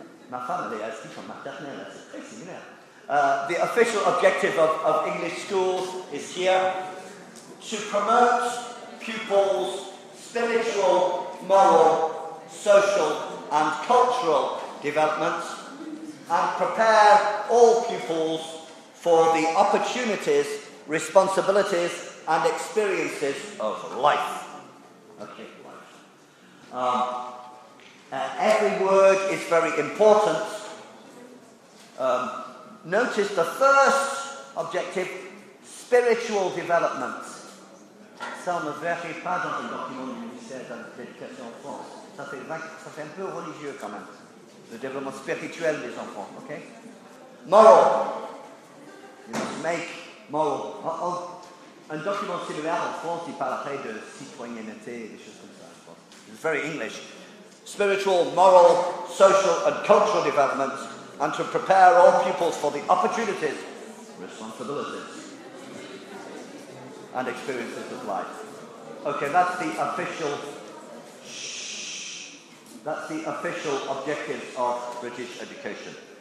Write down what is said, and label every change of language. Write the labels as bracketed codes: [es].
[fr] Ma famille, elle se dit qu'on m'a terminé, c'est très similaire. [en] The official objective of English schools is here to promote pupils' spiritual, moral, social, and cultural developments and prepare all pupils for the opportunities, responsibilities, and experiences of life. Okay, life. Every word is very important. Notice the first objective, spiritual development. [fr] Ça, on ne verrait pas dans le document du ministère de l'Éducation en France. Ça fait un peu religieux quand même, le développement spirituel des enfants, ok? Moral. [en] You must make moral. [fr] Un document similaire en France, il parlerait de citoyenneté et des choses comme ça. [en] It's very English. Spiritual, moral, social and cultural development. And to prepare all pupils for the opportunities, responsibilities, and experiences of life. Okay, that's the official. That's the official objective of British education.